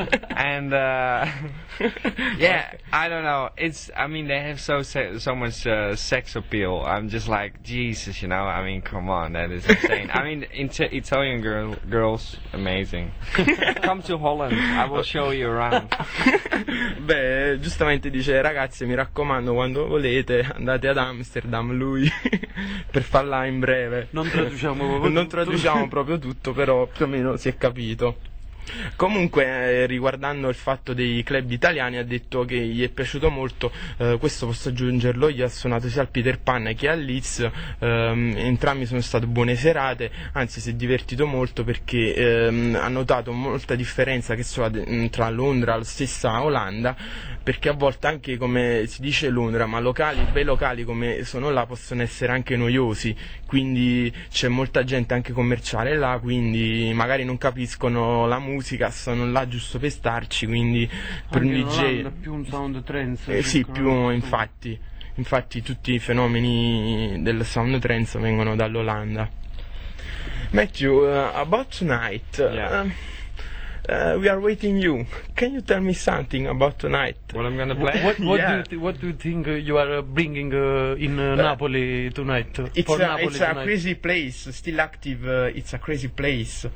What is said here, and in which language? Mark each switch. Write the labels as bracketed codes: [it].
[en] And I don't know. It's, I mean, they have so much sex appeal. I'm just like, Jesus, you know. I mean, come on, that is insane. I mean, Italian girls, amazing. Come to Holland, I will show you around. [it] Beh, giustamente dice, ragazzi, mi raccomando, quando volete andate ad Amsterdam, lui per farla in breve. Non traduciamo proprio tutto, però più o meno si è capito. Comunque, riguardando il fatto dei club italiani, ha detto che gli è piaciuto molto, questo posso aggiungerlo, gli ha suonato sia al Peter Pan che al Leeds, entrambi sono state buone serate, anzi si è divertito molto, perché ha notato molta differenza che so, tra Londra e la stessa Olanda, perché a volte anche, come si dice Londra, ma locali, bei locali come sono là, possono essere anche noiosi, quindi c'è molta gente anche commerciale là, quindi magari non capiscono la musica, sono là giusto per starci, quindi per anche un DJ è più un sound trance, sì, più infatti tutti i fenomeni del sound trance vengono dall'Olanda. [en] Matthew, about tonight, we are waiting you, can you tell me something about tonight, what I'm gonna play? What do you think you are bringing in Napoli tonight? It's a crazy place, still active. It's a crazy place.